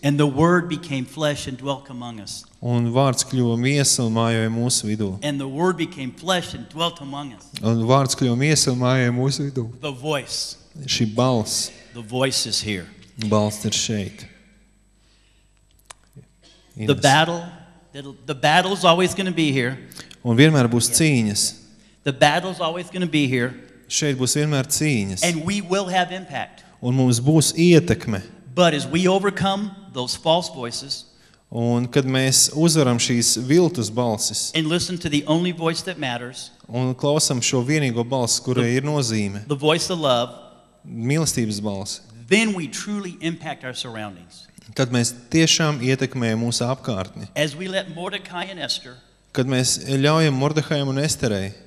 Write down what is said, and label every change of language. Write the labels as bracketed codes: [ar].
[en] And the word became flesh and dwelt among us. [lv] Un vārds kļuva miesa un mājoja mūsu vidū. [en] And the word became flesh and dwelt among us. [lv] Un vārds kļuva miesa un mājoja mūsu vidū. [en] The voice. [lv] Šī balss. [en] The voice is here. [lv] Balss ir šeit. [en] The battle is always going to be here. [lv] Un vienmēr būs cīņas. [en] The battle is always going to be here. [lv] Šeit būs vienmēr cīņas. [en] And we will have impact. [lv] Un mums būs ietekme. [en] But as we overcome those false voices. [lv] Un kad mēs uzvaram šīs viltus balsis. [en] And listen to the only voice that matters. [lv] Un klausam šo vienīgo balsi, kurai ir nozīme. [en] The voice of love. [lv] Mīlestības balss. [en] Then we truly impact our surroundings. [lv] Kad mēs tiešām ietekmējam mūsu apkārtni. [en] As we let Mordecai and Esther. [lv] Kad mēs ļaujam Mordehajam un Esterei.